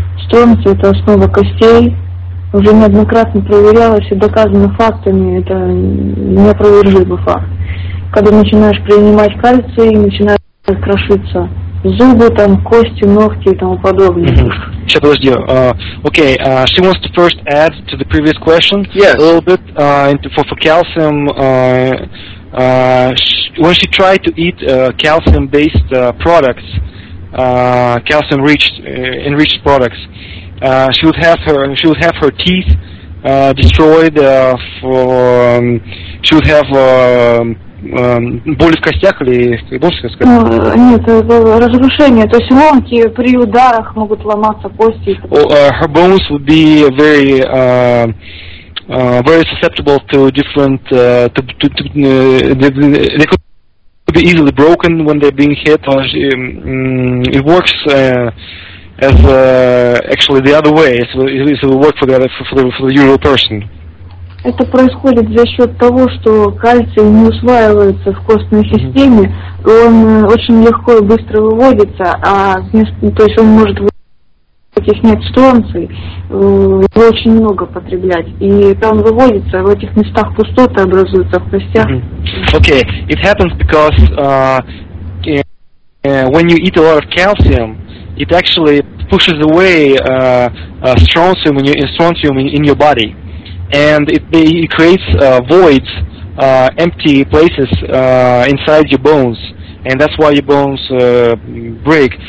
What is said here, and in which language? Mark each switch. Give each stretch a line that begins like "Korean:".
Russian: Стронций – это основа костей. Уже неоднократно проверялось и доказано фактами, это неопровержимый факт. Когда начинаешь принимать кальций, начинают крошиться зубы, там, кости, ногти и тому подобное. Сейчас, подожди.
English: Окей, she wants to first add to the previous question. Yes. A little bit for calcium. When she tried to eat calcium-based products, calcium-enriched products, she would have her teeth destroyed. She would have
Russian: боли в костях или больше сказать? Нет, разрушение. То есть ломки при ударах могут ломаться кости.
English: Her bones would be very susceptible to different they could be easily broken when they're being hit. It works. As actually the other way, it's a work for the other, for the usual person.
Russian: Это происходит за счет того, что кальций не усваивается в костной системе, он очень легко и быстро выводится, то есть он может выводить, если нет стронций, его очень много потреблять, и там выводится, в этих местах пустоты образуются в костях.
English: Okay, it happens because when you eat a lot of calcium, it actually pushes away strontium in your body, and it creates voids, empty places inside your bones, and that's why your bones break.